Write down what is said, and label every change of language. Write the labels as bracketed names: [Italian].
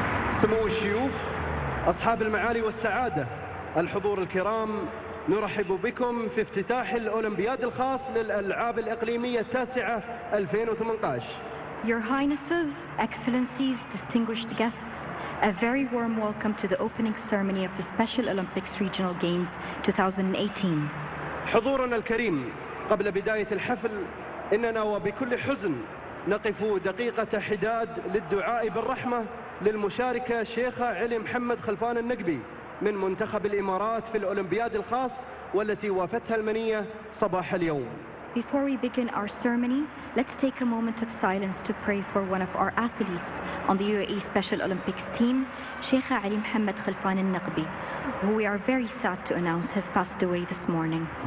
[Arabic] سمو الشيوخ، أصحاب المعالي والسعادة، الحضور الكرام، نرحب بكم في افتتاح الأولمبياد الخاص للألعاب الإقليمية التاسعة 2018. [English] Your Highnesses, Excellencies, Distinguished Guests, a very warm welcome to the opening ceremony of the Special Olympics Regional Games 2018. [Arabic] حضورنا الكريم، قبل بداية الحفل، إننا وبكل حزن نقف دقيقة حداد للدعاء بالرحمة للمشاركة شيخة علي محمد خلفان النقبي من منتخب الإمارات في الأولمبياد الخاص والتي وافتها المنية صباح اليوم. [English] Before we begin our ceremony, let's take a moment of silence to pray for one of our athletes on the UAE Special Olympics team, Sheikha Ali Mohammed Khalfan Al-Naqbi, who we are very sad to announce has passed away this morning.